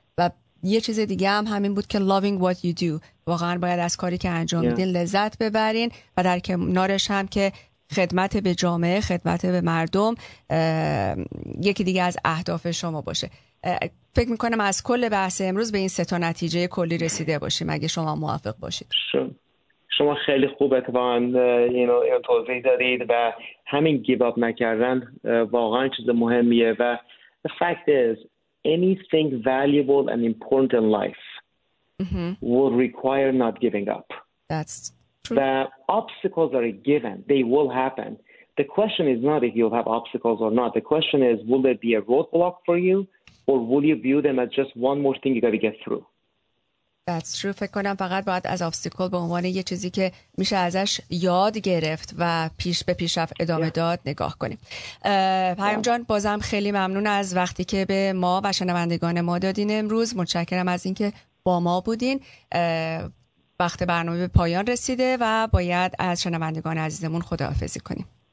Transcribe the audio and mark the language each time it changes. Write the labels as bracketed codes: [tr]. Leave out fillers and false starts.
[fa] و یه چیز دیگه هم همین بود که [en] loving what you do، [fa] واقعا باید از کاری که انجام میدین لذت ببرین، و در کنارش هم که خدمت به جامعه، خدمت به مردم یکی دیگه از اهداف شما باشه. فکر میکنم از کل بحث امروز به این 3 نتیجه کلی رسیده باشیم، اگه شما موافق باشید. شما خیلی خوب اتفاقا این توضیح دارید و همین گیو اپ نکردن واقعا چیز مهمیه. [en] و the fact is anything valuable and important in life will require not giving up. That's true. The obstacles are a given. They will happen. The question is not if you'll have obstacles or not. The question is, will there be a roadblock for you or will you view them as just one more thing you got to get through? That's true. [fa] فکر کنم فقط باید از obstacle به عنوان یه چیزی که میشه ازش یاد گرفت و پیش به پیشرفت ادامه داد نگاه کنیم. پیام جان بازم خیلی ممنون از وقتی که به ما و شنوندگان ما دادین امروز. متشکرم از اینکه با ما بودین. وقت برنامه به پایان رسیده و باید از شنوندگان عزیزمون خداحافظی کنیم.